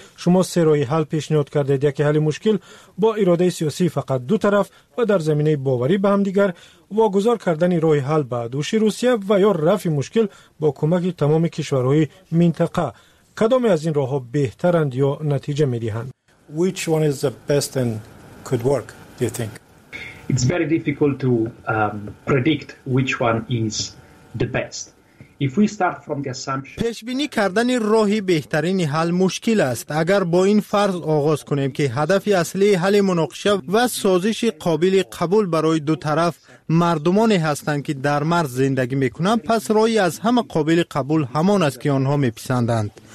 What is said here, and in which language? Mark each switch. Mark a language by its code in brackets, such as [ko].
[fa] شما سه راه حل پیشنهاد کردید: یک حل مشکل با اراده سیاسی فقط دو طرف و در زمینه باوری به همدیگر، واگذار کردن راه حل به دوش روسیه و یا رفع مشکل با کمک تمام کشورهای منطقه. کدام از این راه ها بهترند یا نتیجه می دهند؟ [en] Which one is the best and could work? do you think? It's very difficult to predict which one is the best. If we start from the assumption, [fa] پیشبینی کردن راهی بهترین حل مشکل است. اگر با این فرض آغاز کنیم که هدف اصلی حل مناقشه و سازش قابل قبول برای دو طرف مردمانی هستند که در مرز زندگی میکنند، پس راهی از همه قابل قبول همان است که آنها میپسندند.